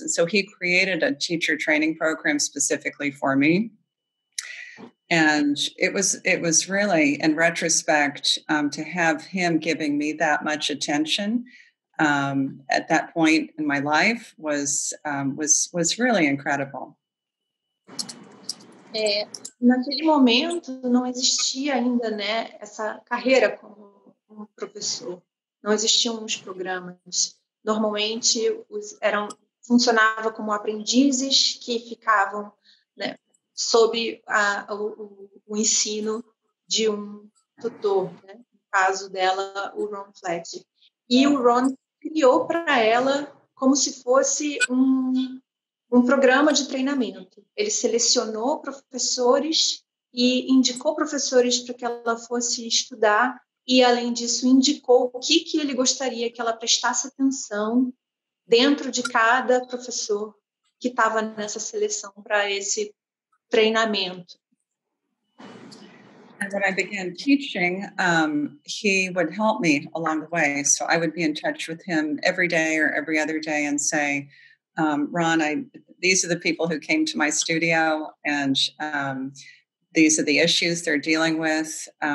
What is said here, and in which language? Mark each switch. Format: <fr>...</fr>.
<en>And so he created a teacher training program specifically for me. And it was really, in retrospect, to have him giving me that much attention at that point in my life was really incredible.</en> <pt>Naquele momento, não existia ainda, né, essa carreira como professor. Não existiam os programas. Normalmente, funcionava como aprendizes que ficavam, né, sob o ensino de um tutor, né? No caso dela, o Ron Fletcher. E o Ron criou para ela como se fosse um programa de treinamento. Ele selecionou professores e indicou professores para que ela fosse estudar. E, além disso, indicou o que ele gostaria que ela prestasse atenção dentro de cada professor que estava nessa seleção para esse treinamento.</pt> <en>And when I began teaching, he would help me along the way. So I would be in touch with him every day or every other day and say, Ron, these are the people who came to my studio and these are the issues they're dealing with.</en>